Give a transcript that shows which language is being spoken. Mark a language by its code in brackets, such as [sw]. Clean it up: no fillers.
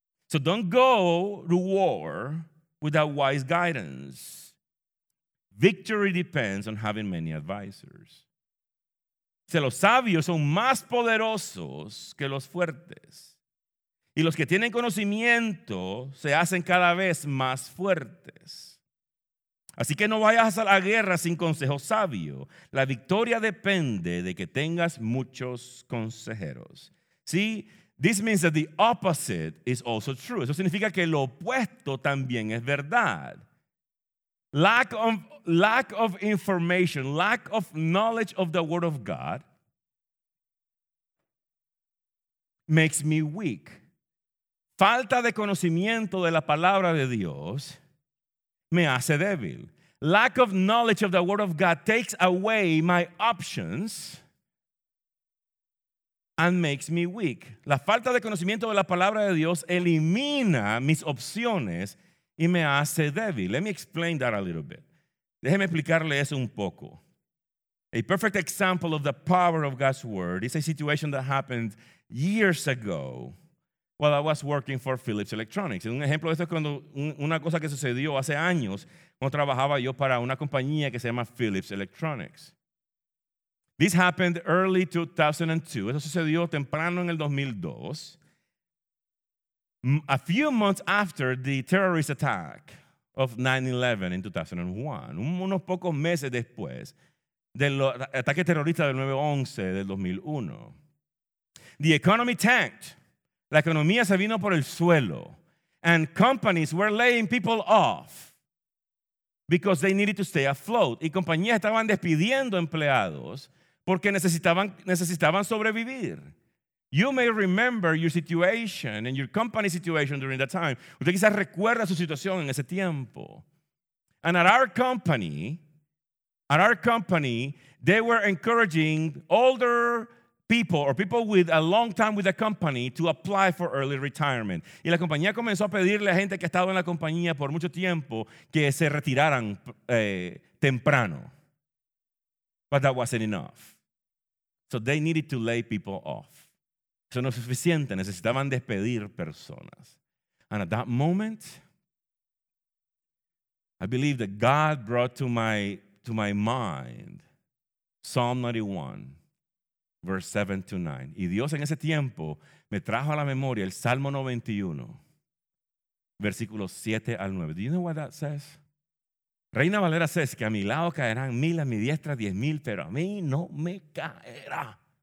[en] So don't go to war without wise guidance. Victory depends on having many advisors. [es] Dice, los sabios son más poderosos que los fuertes. Y los que tienen conocimiento se hacen cada vez más fuertes. Así que no vayas a la guerra sin consejo sabio. La victoria depende de que tengas muchos consejeros. [en] See, this means that the opposite is also true. [es] Eso significa que lo opuesto también es verdad. [en] Lack of information, lack of knowledge of the word of God makes me weak. [es] Falta de conocimiento de la palabra de Dios me hace débil. [en] Lack of knowledge of the word of God takes away my options and makes me weak. [es] La falta de conocimiento de la palabra de Dios elimina mis opciones y me hace débil. [en] Let me explain that a little bit. [es] Déjeme explicarle eso un poco. [en] A perfect example of the power of God's word is a situation that happened years ago while I was working for Philips Electronics. [es] Un ejemplo de esto es cuando una cosa que sucedió hace años cuando trabajaba yo para una compañía que se llama Philips Electronics. [en] This happened early 2002. [es] Eso sucedió temprano en el 2002. [en] A few months after the terrorist attack of 9/11 in 2001. [es] Unos pocos meses después del ataque terrorista del 9/11 del 2001. [en] The economy tanked. [es] La economía se vino por el suelo. [en] And companies were laying people off because they needed to stay afloat. [es] Y compañías estaban despidiendo empleados porque necesitaban sobrevivir. [en] You may remember your situation and your company situation during that time. [es] Usted quizás recuerda su situación en ese tiempo. [en] And at our company, they were encouraging older people or people with a long time with the company to apply for early retirement. [es] Y la compañía comenzó a pedirle a gente que estaba en la compañía por mucho tiempo que se retiraran temprano. [en] But that wasn't enough. So they needed to lay people off. [es] Eso no es suficiente, necesitaban despedir personas. [en] And at that moment, I believe that God brought to my mind Psalm 91. Verse 7 to 9. [es] Y Dios en ese tiempo me trajo a la memoria el Salmo 91, versículos 7 al 9. [en] Do you know what that says? [es] Reina Valera says que a mi lado caerán mil, a mi diestra 10,000, pero a mí no me caerá.